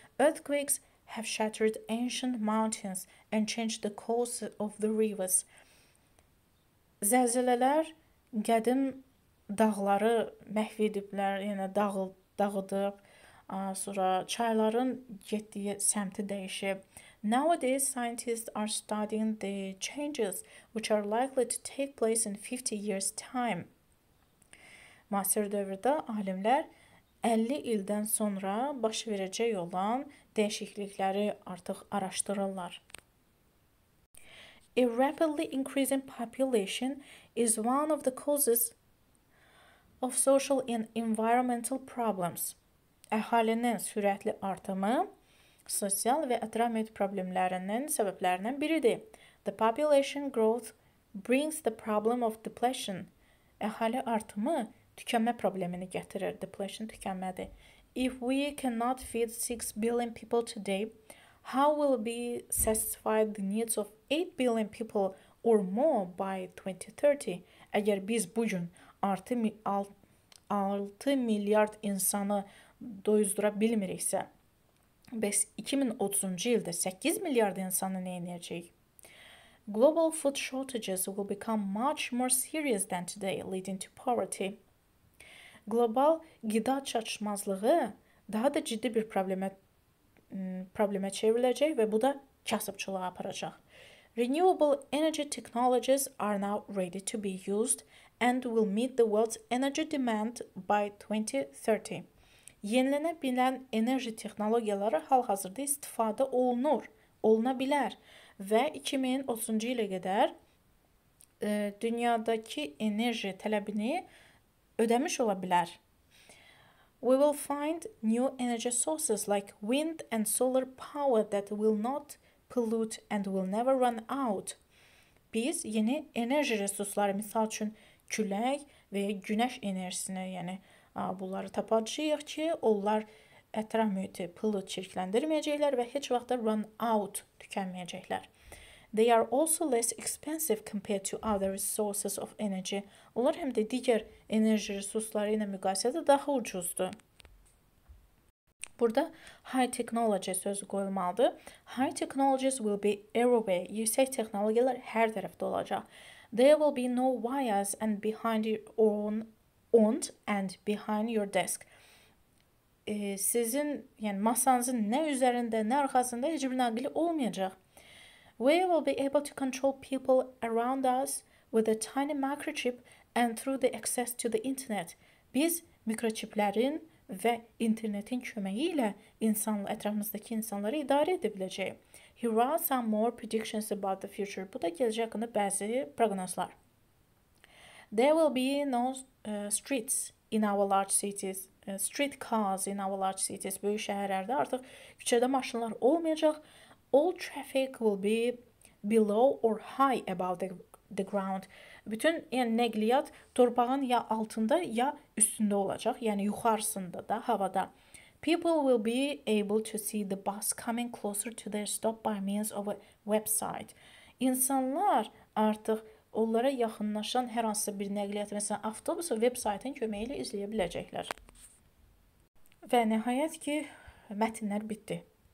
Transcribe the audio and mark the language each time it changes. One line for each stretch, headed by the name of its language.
English: Earthquakes have shattered ancient mountains and changed the course of the rivers.
Azerbaijani: Zəlzələlər qədim dağları məhv ediblər, yəni dağıdıb. Sonra çayların getdiyi səmti dəyişib.
English: Nowadays, scientists are studying the changes which are likely to take place in 50 years' time.
Azerbaijani: Müasir dövrdə alimlər 50 ildən sonra baş verəcək olan dəyişiklikləri artıq araşdırırlar.
English: A rapidly increasing population is one of the causes of social and environmental problems.
Azerbaijani: Əhalinin sürətli artımı sosial və ətraf mühit problemlərinin səbəblərindən biridir.
English: The population growth brings the problem of depletion.
Azerbaijani: Əhali artımı tükənmə problemini gətirir. Depletion tükənmədir.
English: If we cannot feed 6 billion people today, how will we satisfy the needs of 8 billion people or more by 2030?
Azerbaijani: Əgər biz bu gün 6 milyard insanı doyuzdura bilmiriksə, bəs 2030-cu ildə 8 milyard insanı nə edəcək?
English: Global food shortages will become much more serious than today, leading to poverty.
Azerbaijani: Global qida çatışmazlığı daha da ciddi bir problemə çevriləcək və bu da kasıbçılığa aparacaq.
English: Renewable energy technologies are now ready to be used and will meet the world's energy demand by 2030.
Azerbaijani: Yenilənə bilən enerji texnologiyaları hal-hazırda istifadə olunur, oluna bilər və 2030-cu ilə qədər dünyadakı enerji tələbini ödəmiş ola bilər.
English: We will find new energy sources like wind and solar power that will not pollute and will never run out.
Azerbaijani: Biz yeni enerji resursları, misal üçün külək və ya günəş enerjisini, yəni bunları tapacağıq ki, onlar ətraf mühiti
English: pollute
Azerbaijani: çirkləndirməyəcəklər və heç vaxt da
English: run out
Azerbaijani: tükənməyəcəklər.
English: They are also less expensive compared to other resources of energy.
Azerbaijani: Onlar həm də digər enerji resursları ilə müqayisədə daha ucuzdur. Burada
English: high technology
Azerbaijani: sözü qoyulmalıdır.
English: High technologies will be everywhere.
Azerbaijani: Yüksək texnologiyalar hər tərəfdə olacaq.
English: There will be no wires and behind your own and behind your desk.
Azerbaijani: Sizin, yəni masanızın nə üzərində, nə arxasında heç bir naqili olmayacaq.
English: We will be able to control people around us with a tiny microchip and through the access to the internet.
Azerbaijani: Biz mikroçiplərin və internetin köməyi ilə ətrafımızdakı insanları idarə edə biləcək.
English: Here are some more predictions about the future.
Azerbaijani: Bu da gələcək haqqında bəzi proqnozlar.
English: There will be no streets in our large cities. Street cars in our large cities.
Azerbaijani: Böyük şəhərlərdə artıq küçədə maşınlar olmayacaq.
English: All traffic will be below or high above the ground.
Azerbaijani: Bütün yəni nəqliyyat torpağın ya altında, ya üstündə olacaq, yəni yuxarısında da, havada.
English: People will be able to see the bus coming closer to their stop by means of a website.
Azerbaijani: İnsanlar artıq onlara yaxınlaşan hər hansı bir nəqliyyat, məsələn, avtobusu website-in köməyi ilə izləyə biləcəklər. Və nəhayət ki, mətnlər bitdi.